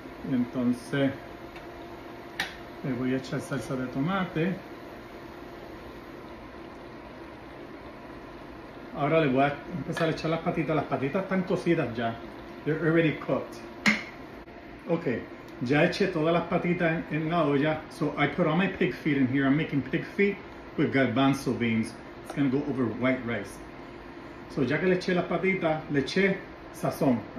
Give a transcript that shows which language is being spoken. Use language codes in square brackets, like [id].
[es] Y entonces le voy a echar salsa de tomate. Ahora le voy a empezar a echar las patitas. Las patitas están cocidas ya. [en] They're already cooked. [es] Ok, ya eché todas las patitas en la olla. [en] So I put all my pig feet in here. I'm making pig feet with garbanzo beans. It's going to go over white rice. [es] So ya que le eché las patitas, le eché sazón.